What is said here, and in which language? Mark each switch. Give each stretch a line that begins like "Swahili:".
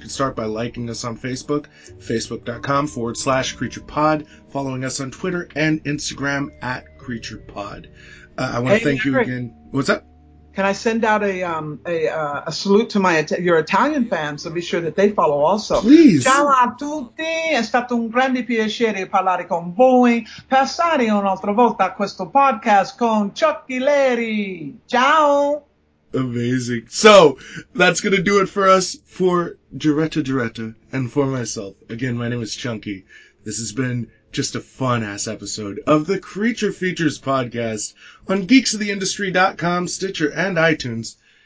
English: You can start by liking us on Facebook, facebook.com/creaturepod, following us on Twitter and Instagram at creaturepod. I want to thank you again. What's up? Can I send out a salute to your Italian fans, so be sure that they follow also. Please.
Italian: Ciao a tutti, è stato un grande piacere parlare con voi, passare un'altra volta a questo podcast con Chucky Larry. Ciao.
English: Amazing. So, that's going to do it for us, for Geretta Geretta, and for myself. Again, my name is Chunky. This has been just a fun-ass episode of the Creature Features Podcast on geeksoftheindustry.com, Stitcher, and iTunes.